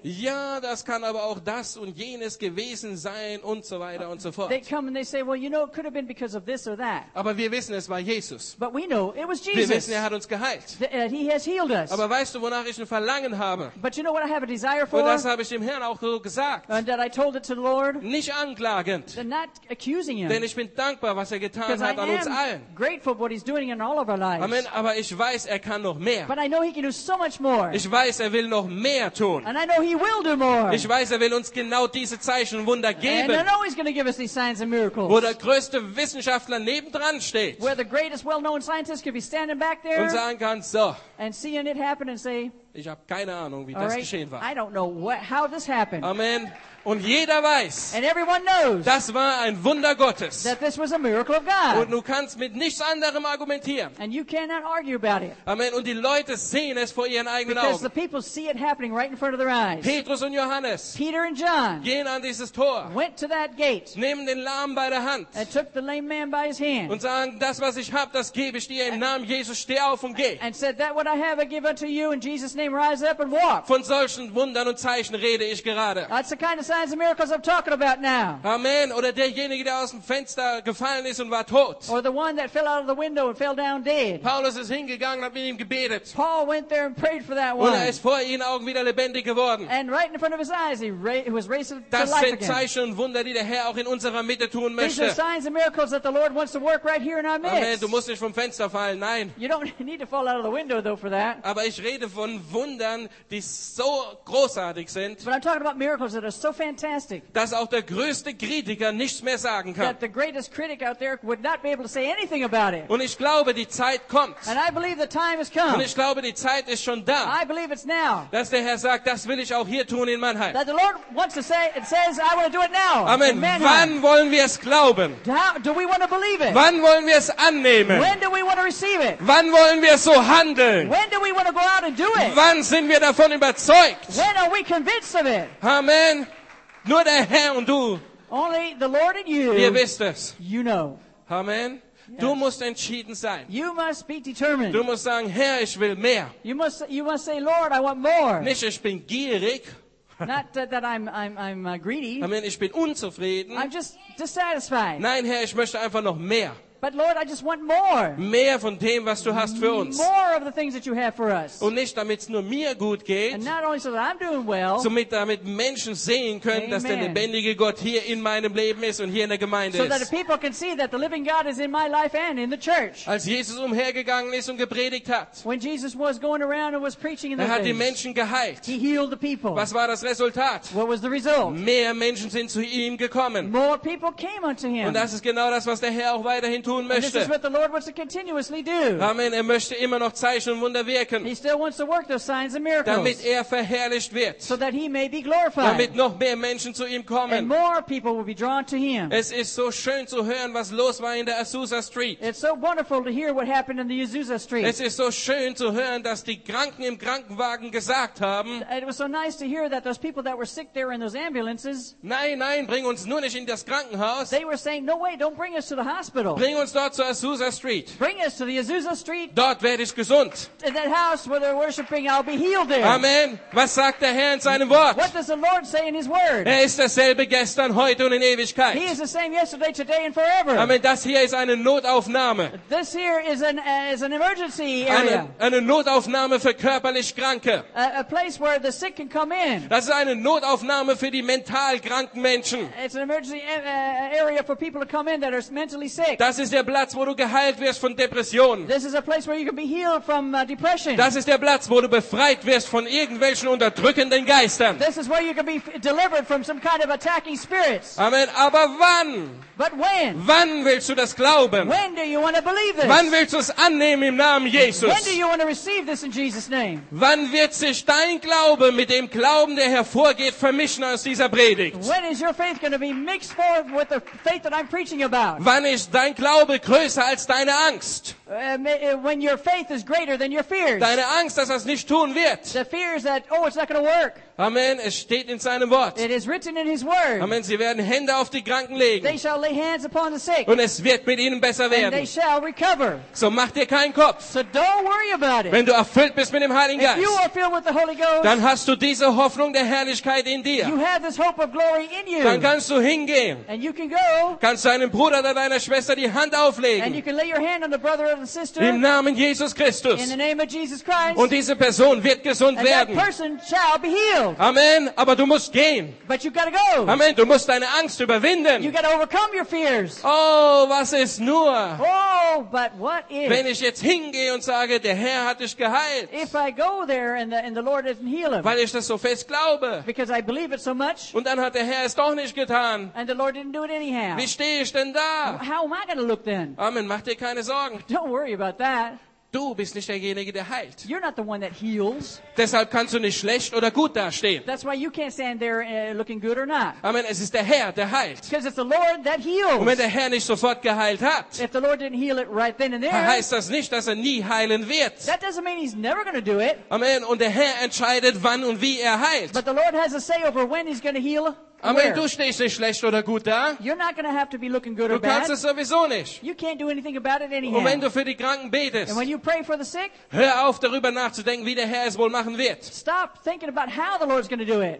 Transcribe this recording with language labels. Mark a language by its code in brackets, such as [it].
[de] ja, das kann aber auch das und jenes gewesen sein und so weiter und so fort. [en] They come and they say, well, you know, it could have been because of this or that. [de] Aber wir wissen, es war Jesus. [en] But we know it was Jesus. [de] Wir wissen, er hat uns geheilt. [en] That he has healed us. [de] Aber weißt du, wonach ich ein Verlangen habe? [en] But you know what I have a desire for? [de] Habe ich dem Herrn auch so gesagt. [en] And that I told it to the Lord, [de] nicht anklagend. [en] Not accusing him. [de] Denn ich bin dankbar, was er getan hat an uns allen. [en] Grateful what he's doing in all of our lives. Amen. [de] Aber ich weiß, er kann noch mehr. [en] But I know he can do so much more. [de] Ich weiß, er will noch mehr tun. [en] And I know he will do more. [de] Ich weiß, er will uns genau diese Zeichen und Wunder geben. [en] And I know he's going to give us these signs and miracles. [de] Wo der größte Wissenschaftler nebendran steht. [en] Where the greatest well-known scientist could be standing back there. [de] Und sagen kann, so. [en] And seeing it happen and say, [de] ich habe keine Ahnung, wie all das right geschehen war. [en] I don't know how this happened. [de] Amen. Und jeder weiß, [en] and everyone knows, [de] das war ein Wunder Gottes. [en] That this was a miracle of God. [de] Und du kannst mit nichts anderem argumentieren. [en] And you cannot argue about it. Amen. [de] Und die Leute sehen es vor ihren eigenen [en] because [de] Augen. [en] The people see it happening right in front of their eyes. [de] Petrus und Johannes, [en] Peter and John, [de] gehen an dieses Tor, [en] went to that gate, [de] nehmen den Lahmen bei der Hand, [en] and took the lame man by his hand, [de] und sagen, das was ich habe, das gebe ich dir im Namen Jesus, steh auf und geh. [en] And said, that what I have I give unto you in Jesus' name, rise up and walk. [de] Von solchen Wundern und Zeichen rede ich gerade. [en] That's the kind of signs and miracles I'm talking about now. Amen. [de] Oder derjenige, der aus dem Fenster gefallen ist und war tot. [en] Or the one that fell out of the window and fell down dead. [de] Paulus ist hingegangen und hat mit ihm gebetet. [en] Paul went there and prayed for that one. [de] Und er ist vor ihren Augen wieder lebendig geworden. [en] And right in front of his eyes, he was raised to life [de] again. Das sind Zeichen und Wunder, die der Herr auch in unserer Mitte tun möchte. [en] These are signs and miracles that the Lord wants to work right here in our midst. [de] Amen. Du musst nicht vom Fenster fallen, nein. [en] You don't need to fall out of the window though for that. [de] Aber ich rede von Wundern, die so großartig sind. [en] But I'm talking about miracles that are so fantastic. [de] Dass auch der größte Kritiker nichts mehr sagen kann. [en] That the greatest critic out there would not be able to say anything about it. [de] Und ich glaube, die Zeit kommt. [en] And I believe the time has come. [de] Und ich glaube, die Zeit ist schon da. [en] I believe it's now. [de] Dass der Herr sagt, das will ich auch hier tun in Mannheim. [en] That the Lord wants to say, it says, I want to do it now. Amen. [de] Wann wollen wir es glauben? [en] Do we want to believe it? [de] Wann wollen wir es annehmen? [en] When do we want to receive it? [de] Wann wollen wir so handeln? [en] When do we want to go out and do it? [de] Wann sind wir davon überzeugt? [en] When are we convinced of it? [de] Amen. Nur der Herr und du. [en] Only the Lord and you. [de] Ihr wisst es. [en] You know. Amen. Yes. [de] Du musst entschieden sein. [en] You must be determined. [de] Du musst sagen, Herr, ich will mehr. [en] You must say, Lord, I want more. [de] Nicht, ich bin gierig. [en] Not that I'm greedy. [de] Amen. Ich bin unzufrieden. [en] I'm just dissatisfied. [de] Nein, Herr, ich möchte einfach noch mehr. [en] But Lord, I just want more. [de] Mehr von dem, was du hast für uns. [en] More of the things that you have for us. [de] Und nicht, damit es nur mir gut geht. [en] And not only so that I'm doing well. [de] Damit Menschen sehen können, dass der lebendige Gott hier in meinem Leben ist und hier in der Gemeinde ist. [en] So that the people can see that the living God is in my life and in the church. [de] Als Jesus umhergegangen ist und gepredigt hat. [en] When Jesus was going around and was preaching in the place. [de] Er hat die Menschen geheilt. [en] He healed the people. [de] Was war das Resultat? [en] What was the result? [de] Mehr Menschen sind zu ihm gekommen. [en] More people came unto him. [de] Und das ist genau das, was der Herr auch weiterhin tut. [en] And this is what the Lord wants to continuously do. Amen. [de] Er möchte immer noch Zeichen und Wunder wirken. [en] He still wants to work those signs and miracles. [de] Damit er verherrlicht wird. [en] So that he may be glorified. [de] Damit noch mehr Menschen zu ihm kommen. [en] And more people will be drawn to him. [de] Es ist so schön zu hören, was los war in der Azusa Street. [en] It's so wonderful to hear what happened in the Azusa Street. [de] Es ist so schön zu hören, dass die Kranken im Krankenwagen gesagt haben. [en] It was so nice to hear that those people that were sick there in those ambulances. [de] Nein, bring uns nur nicht in das Krankenhaus. [en] They were saying, no way, don't bring us to the hospital. [de] Bring uns uns dort zur Azusa Street. [en] Bring us to the Azusa Street. [de] Dort werde ich gesund. [en] In that house where they're worshiping, I'll be healed there. Amen. [de] Was sagt der Herr in seinem Wort? [en] What does the Lord say in His Word? [de] Er ist derselbe gestern, heute und in Ewigkeit. [en] He is the same yesterday, today and forever. Amen. [de] Das hier ist eine Notaufnahme. [en] This here is an emergency area. [de] Eine Notaufnahme für körperlich Kranke. [en] A place where the sick can come in. [de] Das ist eine Notaufnahme für die mental kranken Menschen. [en] It's an emergency area for people to come in that are mentally sick. [de] Das ist der Platz, wo du geheilt wirst von Depressionen. [en] This is a place where you can be healed from depression. [de] Das ist der Platz, wo du befreit wirst von irgendwelchen unterdrückenden Geistern. [en] This is where you can be delivered from some kind of attacking spirits. [de] Amen. Aber wann? [en] But when? [de] Wann willst du das glauben? [en] When do you want to believe this? [de] Wann willst du es annehmen im Namen Jesus? [en] When do you want to receive this in Jesus' name? [de] Wann wird sich dein Glaube mit dem Glauben, der hervorgeht, vermischen aus dieser Predigt? [en] When is your faith going to be mixed for with the faith that I'm preaching about? [de] Wann ist dein Glaube größer als deine Angst? [en] When your faith is greater than your fears. [de] Deine Angst, dass das nicht tun wird. [en] The fears that oh, it's not going to work. [de] Amen. Es steht in seinem Wort. [en] It is written in His Word. Amen. [de] Sie werden Hände auf die Kranken legen. [en] They shall lay hands upon the sick. [de] Und es wird mit ihnen besser werden. [en] And they shall recover. [de] So mach dir keinen Kopf. [en] So don't worry about it. [de] Wenn du erfüllt bist mit dem Heiligen Geist, [en] if you are filled with the Holy Ghost, [de] dann hast du diese Hoffnung der Herrlichkeit in dir. [en] You have this hope of glory in you. [de] Dann kannst du hingehen. [en] And you can go. [de] Kannst du einem Bruder oder deiner Schwester die Hand auflegen. [en] And you can lay your hand on the brother or the sister. [de] Im Namen Jesus Christus. [en] In the name of Jesus Christ. [de] Und diese Person wird gesund [en] and [de] werden. [en] That person shall be healed. [de] Amen. Aber du musst gehen. [en] But you gotta go. Amen. [de] Du musst deine Angst überwinden. [en] You gotta overcome your fears. [de] Oh, was ist nur? [en] Oh, but what if? [de] Wenn ich jetzt hingehe und sage, der Herr hat dich geheilt. [en] If I go there and the Lord doesn't heal him. [de] Weil ich das so fest glaube. [en] Because I believe it so much. [de] Und dann hat der Herr es doch nicht getan. [en] And the Lord didn't do it anyhow. [de] Wie stehe ich denn da? [en] How am I gonna look then? [de] Amen. Mach dir keine Sorgen. [en] Don't worry about that. [de] Du bist nicht derjenige, der heilt. [en] You're not the one that heals. [de] Deshalb kannst du nicht schlecht oder gut dastehen. [en] That's why you can't stand there looking good or not. Amen. [de] Es ist der Herr, der heilt. [en] Because it's the Lord that heals. [de] Und wenn der Herr nicht sofort geheilt hat, [en] if the Lord didn't heal it right then and there, [de] heißt das nicht, dass er nie heilen wird. [en] That doesn't mean he's never going to do it. Amen. [de] Und der Herr entscheidet, wann und wie er heilt. [en] But the Lord has a say over when he's going to heal. Amen. [de] Du stehst nicht schlecht oder gut da. [en] You're not going to have to be looking good [de] du [en] or bad. [de] Du kannst es sowieso nicht. [en] You can't do anything about it anyhow. [de] Und wenn du für die Kranken betest, [en] and when you pray for the sick, [de] hör auf darüber nachzudenken, wie der Herr es wohl machen wird. [en] Stop thinking about how the Lord's going to do it.